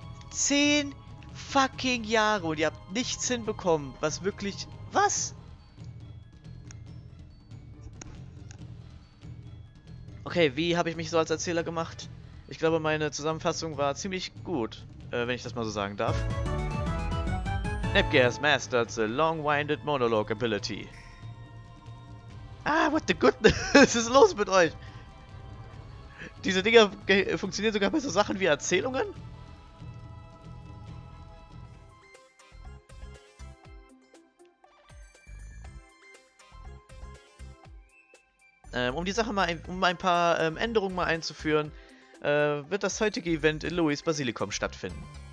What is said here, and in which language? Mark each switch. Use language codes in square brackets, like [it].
[de] 10 fucking Jahre und ihr habt nichts hinbekommen, was wirklich. Was? Okay, wie habe ich mich so als Erzähler gemacht? Ich glaube, meine Zusammenfassung war ziemlich gut, wenn ich das mal so sagen darf. [en] Nebgier has mastered the long-winded monologue ability. [de] Ah, [en] what the goodness? [de] Was ist los mit euch? Diese Dinger funktionieren sogar bei so Sachen wie Erzählungen? Um ein paar Änderungen mal einzuführen, wird das heutige Event in Louis Basilikum stattfinden.